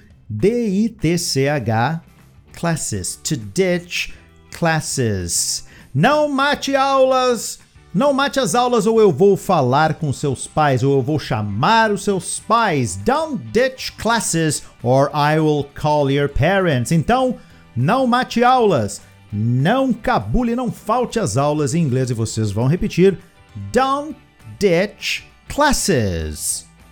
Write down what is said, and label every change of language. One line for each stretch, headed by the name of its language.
English: D-I-T-C-H, classes, to ditch classes.
Portuguese: Não mate aulas, não mate as aulas ou eu vou falar com seus pais, ou eu vou chamar os seus pais.
English: Don't ditch classes or I will call your parents.
Portuguese: Então, não mate aulas, não cabule, não falte as aulas em inglês e vocês vão repetir.
English: Don't ditch classes.